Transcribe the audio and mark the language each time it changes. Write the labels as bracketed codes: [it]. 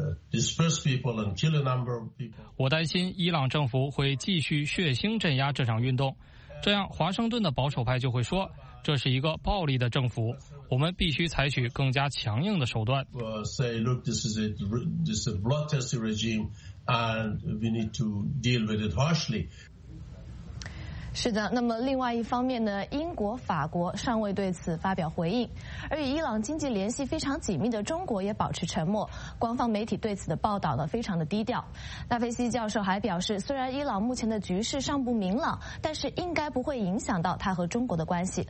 [en] Disperse people and kill a number of people. [zh] 我担心伊朗政府会继续血腥镇压这场运动，这样华盛顿的保守派就会说这是一个暴力的政府，我们必须采取更加强硬的手段。 [en] Say, look, this is a bloodthirsty regime, and we need to deal with it harshly. [zh] 是的，那么另外一方面呢，英国、法国尚未对此发表回应，而与伊朗经济联系非常紧密的中国也保持沉默，官方媒体对此的报道呢非常的低调。纳菲西教授还表示，虽然伊朗目前的局势尚不明朗，但是应该不会影响到他和中国的关系。